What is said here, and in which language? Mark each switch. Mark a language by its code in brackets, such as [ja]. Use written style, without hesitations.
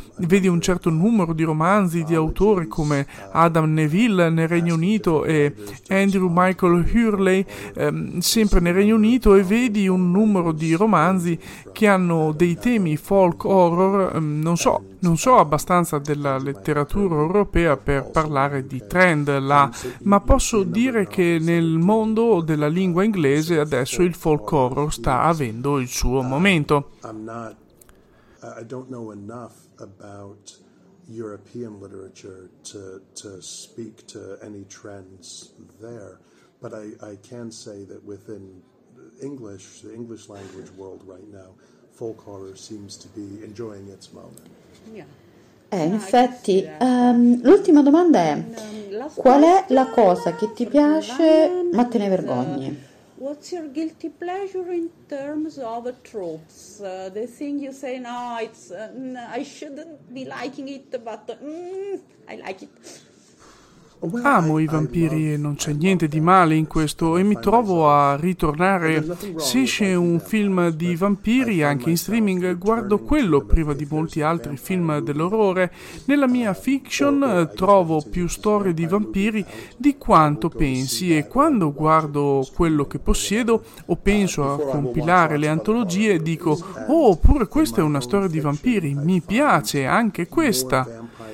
[it] Vedi un certo numero di romanzi di autori come Adam Neville nel Regno Unito e Andrew Michael Hurley sempre nel Regno Unito, e vedi un numero di romanzi che hanno dei temi folk horror. Non so abbastanza della letteratura europea per parlare di trend là, ma posso dire che nel mondo della lingua inglese adesso il folk horror sta avendo il suo momento. [en] I don't know enough about European literature to speak to any trends there, but I can say that within English, the English language world right now, folk horror seems to be enjoying its moment. Yeah. [it] Infatti, l'ultima domanda è: qual è la cosa che ti piace ma te ne vergogni? [en] What's your guilty pleasure in terms of tropes? The thing you say, no, it's I shouldn't be liking it, but I like it. [it] Amo i vampiri e non c'è niente di male in questo, e mi trovo a ritornare. Se esce un film di vampiri anche in streaming, guardo quello prima di molti altri film dell'orrore. Nella mia fiction trovo più storie di vampiri di quanto pensi, e quando guardo quello che possiedo o penso a compilare le antologie, dico, oh, pure questa è una storia di vampiri, mi piace anche questa.